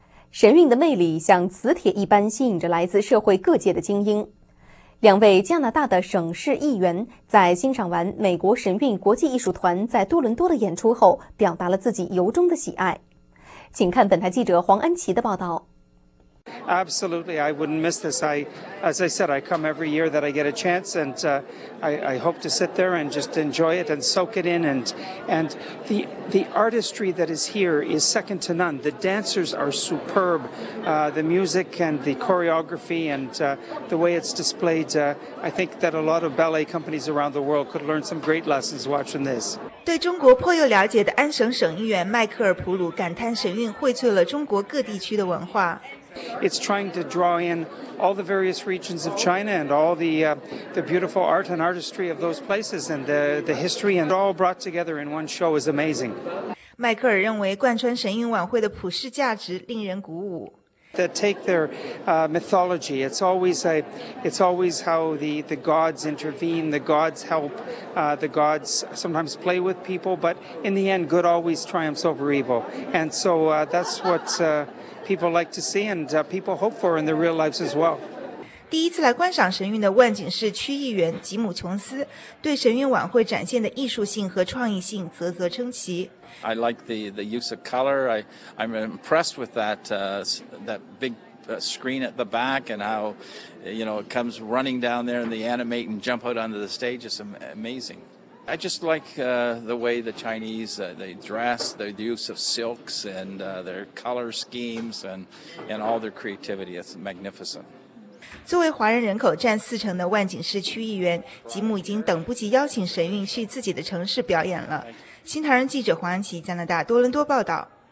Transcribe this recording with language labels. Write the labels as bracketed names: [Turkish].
[Chinese] 神韵的魅力像磁铁一般吸引着来自社会各界的精英。两位加拿大的省市议员在欣赏完美国神韵国际艺术团在多伦多的演出后，表达了自己由衷的喜爱。请看本台记者黄安琪的报道。 [English] Absolutely, I wouldn't miss this. As I said, I come every year that I get a chance, and I hope to sit there and just enjoy it and soak it in. And the artistry that is here is second to none. The dancers are superb. The music and the choreography and the way it's displayed, I think that a lot of ballet companies around the world could learn some great lessons watching this. [Chinese] 对中国颇有了解的安省省议员迈克尔·普鲁感叹，神韵荟萃了中国各地区的文化。 [English] It's trying to draw in all the various regions of China and all the beautiful art and artistry of those places and the history and all brought together in one show is amazing. [Chinese] 迈克尔认为贯穿神韵晚会的普世价值令人鼓舞。 [English] That take their mythology. It's always how the gods intervene, the gods help, the gods sometimes play with people, but in the end, good always triumphs over evil. And so that's what people like to see and people hope for in their real lives as well. [Chinese] 第一次来观赏神韵的万景市区议员吉姆·琼斯对神韵晚会展现的艺术性和创意性啧啧称奇。 [English] I like the use of color. I'm impressed with that that big screen at the back and how you know it comes running down there and they animate and jump out onto the stage. It's amazing. I just like the way the Chinese they dress, the use of silks and their color schemes and all their creativity. It's magnificent. [Chinese] 作为华人人口占四成的万景市区议员，吉姆已经等不及邀请神韵去自己的城市表演了。新唐人记者黄安琪，加拿大多伦多报道。